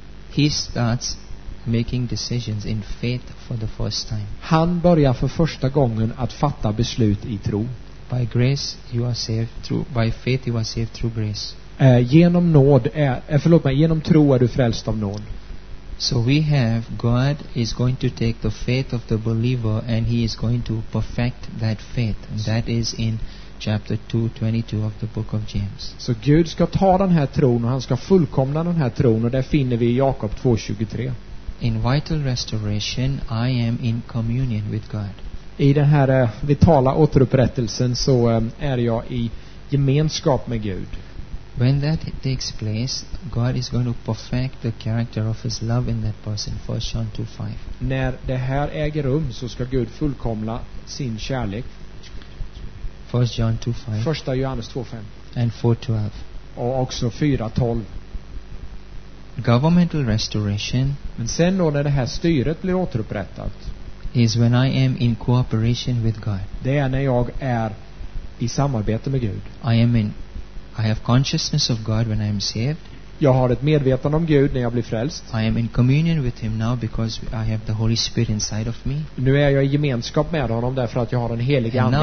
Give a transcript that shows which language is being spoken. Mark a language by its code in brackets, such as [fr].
[en] He starts making decisions in faith for the first time. [sv] Han börjar för första gången att fatta beslut i tro. [en] By grace you are saved through by faith you are saved through grace. [sv] Genom tro är du frälst av nåd. [en] So we have God is going to take the faith of the believer and he is going to perfect that faith. And that is in chapter 2:22 of the book of James. [sv] Så Gud ska ta den här tron och han ska fullkomna den här tron och det finner vi i Jakob 2:23. [en] In vital restoration I am in communion with God. [sv] I den här vitala återupprättelsen så är jag i gemenskap med Gud. [en] When that takes place, God is going to perfect the character of his love in that person. 1 John 2:5. [sv] När det här äger rum så ska Gud fullkomna sin kärlek. [en] 1 John 2:5. [sv] 1 Johannes 2:5. [en] And 4:12. [sv] Och också 4:12. [en] governmental restoration, [sv] men sen då när det här styret blir återupprättat, [en] is when I am in cooperation with God. [sv] Det är när jag är i samarbete med Gud. [en] I have consciousness of God when I am saved. [sv] Jag har ett medvetande om Gud när jag blir frälst. [en] I am in communion with him now because I have the Holy Spirit inside of me. [sv] Nu är jag i gemenskap med honom därför att jag har den helige ande på